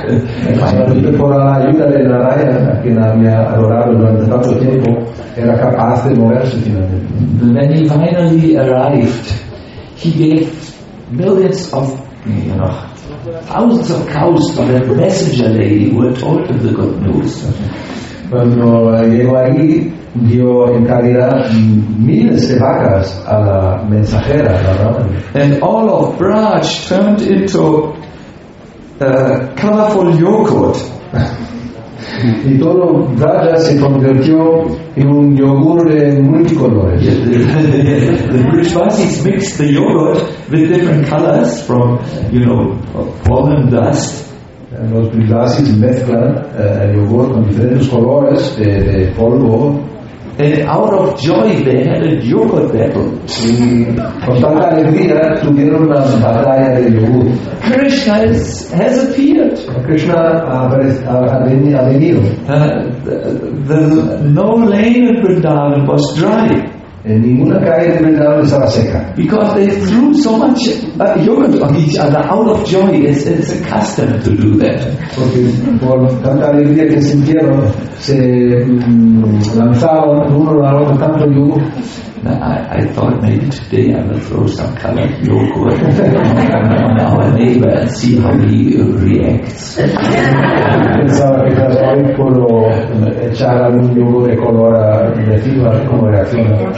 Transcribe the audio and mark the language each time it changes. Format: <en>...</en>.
<en>When he finally arrived, he gave millions of, thousands of cows to the messenger lady who had told him the good news.</en> <es>Cuando llegó allí, dio en caridad miles de vacas a la mensajera, ¿verdad?</es> <en>And all of Braj turned into colorful yogurt.</en> <es>Y todo Braja se convirtió en un yogur de multicolores.</es> <en>The Brajvasis mixed the yogurt with different colors from, pollen dust.</en> <es>Los Brajvasis mezclan el yogur con diferentes colores de polvo.</es> <en>And out of joy they had a yogurt battle.</en> <es>Con tanta alegría tuvieron una batalla de yogur.</es> <en>Krishna has appeared.</en> <es>Krishna ha venido.</es> <en>The no lane in Vrindavan was dry.</en> <es>En ninguna calle de Vrindavan estaba seca.</es> <en>Because they threw so much yogurt on each other out of joy. It's a custom to do that.</en> <es>Porque por tanta alegría que sintieron, se lanzaron uno al otro tanto yogur.</es> <en>I thought maybe today I will throw some colored yogurt on our neighbor and see how he reacts.</en> <es>Pensaba que tal vez puedo echar algún yogur de color a decir cómo reacciona.</es>